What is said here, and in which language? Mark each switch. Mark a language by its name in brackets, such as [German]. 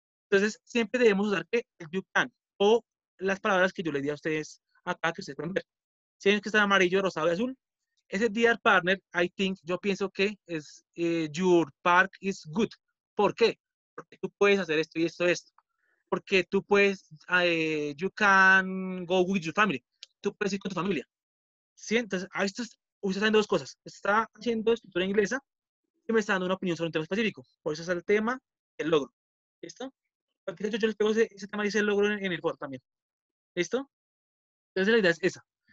[Spanish] Entonces, siempre debemos usar el you can o las palabras que yo les di a ustedes acá que ustedes pueden ver. Si ven que están amarillo, rosado y azul, ese [English] dear partner, I think, [Spanish] yo pienso que es [English] your park is good. [Spanish] ¿Por qué? Porque tú puedes hacer esto y esto y esto. Porque tú puedes, [English] you can go with your family. [Spanish] Tú puedes ir con tu familia. ¿Sí? Entonces, ahí está, usted está haciendo dos cosas. Está haciendo escritura inglesa y me está dando una opinión sobre un tema específico. Por eso es el tema, el logro. ¿Listo? Porque yo les pego ese tema y ese logro en el foro también. ¿Listo? Entonces, la idea es esa.